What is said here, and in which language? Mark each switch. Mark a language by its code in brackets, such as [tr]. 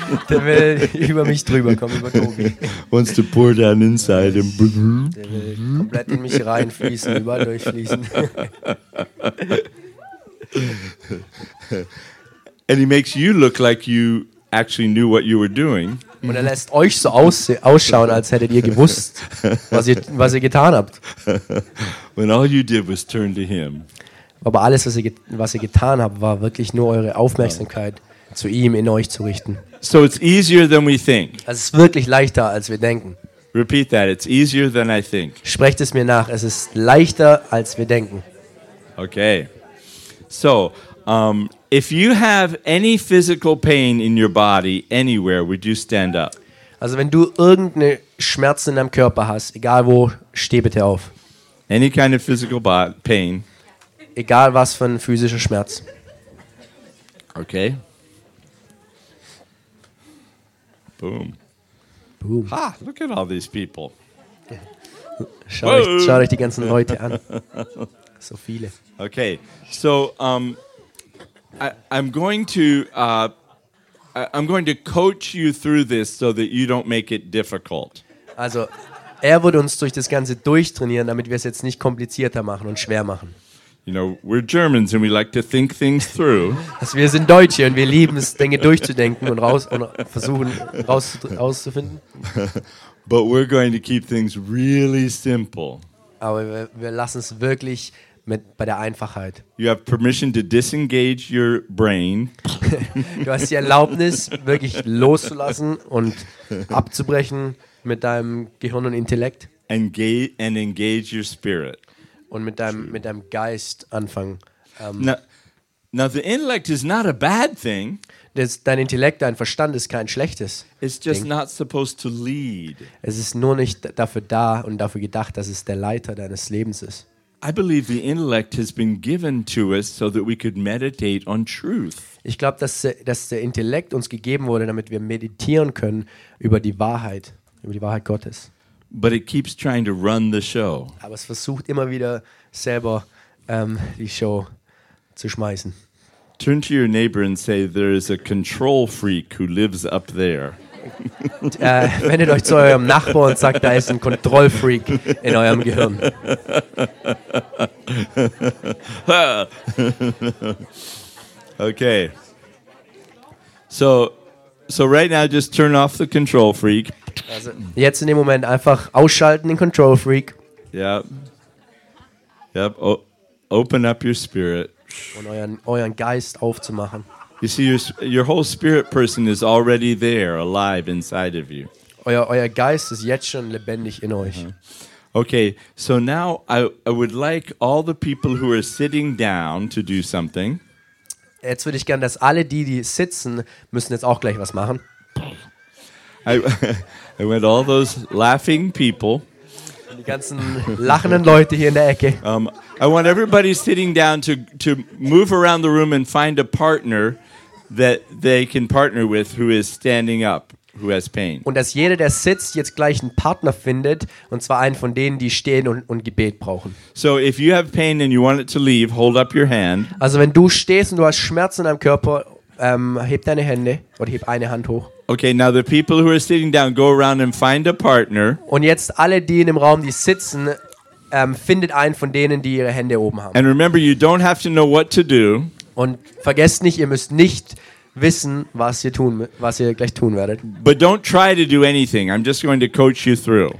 [de] Der will über mich drüber kommen, über Toby. [en] Wants to pour down inside him. [de] Der will komplett in mich reinfließen, überall durchfließen. [en] And he makes you look like you actually knew what you were doing. [de] Und er lässt euch so ausschauen, als hättet ihr gewusst, was ihr getan habt. [en] When all you did was turn to him. [de] Aber alles, was ihr getan habt, war wirklich nur eure Aufmerksamkeit zu ihm in euch zu richten. [en] So it's easier than we think. [de] Es ist wirklich leichter, als wir denken. [en] Repeat that. It's easier than I think. [de] Sprecht es mir nach. Es ist leichter, als wir denken. [en] Okay. So, if you have any physical pain in your body anywhere, would you stand up? [de] Also wenn du irgendeine Schmerzen in deinem Körper hast, egal wo, steh bitte auf. [en] Any kind of physical pain. [de] Egal was für ein physischer Schmerz. [en] Okay. Boom. Boom. Ha, look at all these people. [de] Schau euch die ganzen Leute an. So viele. [en] Okay, so I'm going to coach you through this so that you don't make it difficult. [de] Also, er wird uns durch das Ganze durchtrainieren, damit wir es jetzt nicht komplizierter machen und schwer machen. [en] You know, we're Germans and we like to think things through. [de] Also, wir sind Deutsche und wir lieben es, Dinge durchzudenken und versuchen rauszufinden. [en] But we're going to keep things really simple. [de] Aber wir lassen es wirklich bei der Einfachheit. [en] You have permission to disengage your brain. [de] Du hast die Erlaubnis, wirklich loszulassen und abzubrechen mit deinem Gehirn und Intellekt. [en] And engage your spirit. [de] Und mit deinem Geist anfangen. [en] Now the intellect is not a bad thing. [de] Dein Intellekt, dein Verstand ist kein schlechtes. [en] It's just not supposed to lead. [de] Es ist nur nicht dafür da und dafür gedacht, dass es der Leiter deines Lebens ist. [en] I believe the intellect has been given to us so that we could meditate on truth. [de] Ich glaube, dass der Intellekt uns gegeben wurde, damit wir meditieren können über die Wahrheit Gottes. [en] But it keeps trying to run the show. [de] Aber es versucht immer wieder selber die Show zu schmeißen. [en] Turn to your neighbor and say there is a control freak who lives up there. [de] Wendet euch zu eurem Nachbar und sagt, da ist ein Kontrollfreak in eurem Gehirn. [en] Okay. So right now just turn off the control freak. [de] Also jetzt in dem Moment einfach ausschalten den Control Freak. [en] Yep. Open up your spirit. [de] Und euren Geist aufzumachen. [en] You see, your whole spirit person is already there, alive inside of you. [de] Euer Geist ist jetzt schon lebendig in euch. Uh-huh. [en] Okay, so now I would like all the people who are sitting down to do something. [de] Jetzt würde ich gern, dass alle die sitzen, müssen jetzt auch gleich was machen. [en] I want all those laughing people. [de] Die ganzen lachenden Leute hier in der Ecke. [en] I want everybody sitting down to move around the room and find a partner that they can partner with who is standing up, who has pain. [de] Und dass jeder, der sitzt, jetzt gleich einen Partner findet, und zwar einen von denen, die stehen und Gebet brauchen. [en] So if you have pain and you want it to leave, hold up your hand. [de] Also wenn du stehst und du hast Schmerzen in deinem Körper, heb deine Hände oder heb eine Hand hoch. [en] Okay, now the people who are sitting down, go around and find a partner. [de] Und jetzt alle, die in dem Raum, die sitzen, findet einen von denen, die ihre Hände oben haben. [en] And remember, you don't have to know what to do. [de] Und vergesst nicht, ihr müsst nicht wissen, was ihr gleich tun werdet. [en] But don't try to do anything. I'm just going to coach you through.